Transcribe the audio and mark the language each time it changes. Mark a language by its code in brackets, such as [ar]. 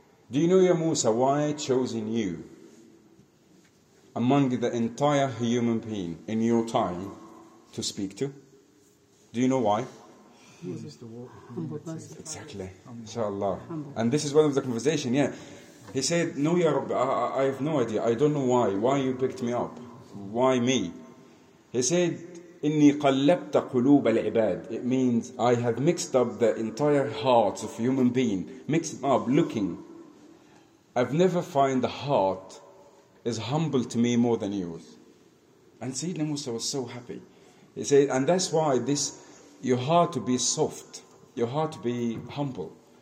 [en] Do you know, Ya Musa, why I chosen you among the entire human being in your time to speak to? Do you know why? Humble person. Exactly. InshaAllah. And this is one of the conversation, yeah. He said, No, Ya Rabbi, I have no idea. I don't know why. Why you picked me up? Why me? He said, [ar] إِنِّي قَلَّبْتَ قُلُوبَ الْعِبَادِ. [en] It means, I have mixed up the entire hearts of human beings. Mixed up, looking. I've never find a heart is humble to me more than yours. And Sayyidina Musa was so happy. He said, and that's why this, your heart to be soft, your heart to be humble.